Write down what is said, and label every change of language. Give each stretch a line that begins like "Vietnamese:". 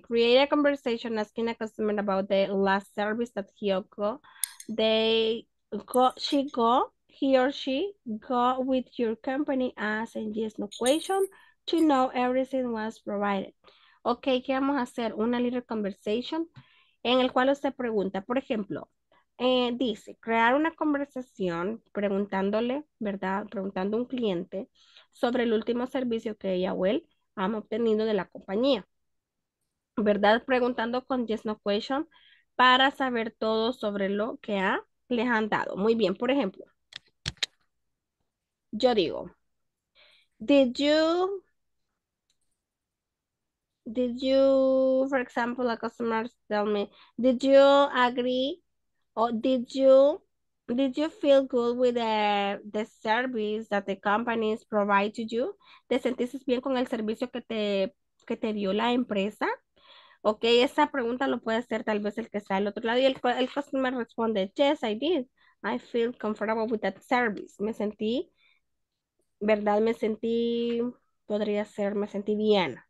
English: Create a conversation asking a customer about the last service that he got. They go, she go, he or she go with your company, ask and yes no question to know everything was provided.
Spanish: Okay, ¿qué vamos a hacer? Una
English: little conversation
Spanish: en el cual usted pregunta, por ejemplo, dice, crear una conversación preguntándole, ¿verdad? Preguntando a un cliente sobre el último servicio que ella o él han obtenido de la compañía, ¿verdad? Preguntando con yes no question para saber todo sobre lo que les han dado. Muy bien, por ejemplo, yo digo,
English: did you, for example, a customer tell me, did you agree, or did you feel good with the service that the companies provide to you?
Spanish: ¿Te sentiste bien con el servicio que te dio la empresa? Ok, esa pregunta lo puede hacer tal vez el que está al otro lado y el customer responde,
English: yes, I did. I feel comfortable with that service.
Spanish: Me sentí, ¿verdad? Me sentí, podría ser, me sentí bien.